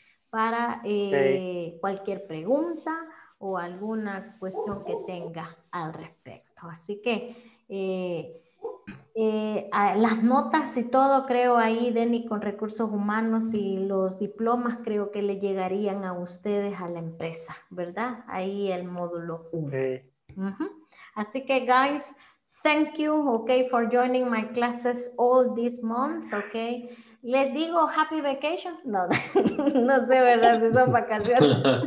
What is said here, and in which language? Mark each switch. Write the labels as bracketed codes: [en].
[es] Para cualquier pregunta o alguna cuestión que tenga al respecto. Así que las notas y todo, creo ahí, Denny, con recursos humanos y los diplomas, creo que le llegarían a ustedes, a la empresa, ¿verdad? Ahí el módulo 1. Así que, [en] guys, thank you, okay, for joining my classes all this month, okay. [es] Les digo [en] happy vacations. [es] No, no sé, ¿verdad? Si son vacaciones.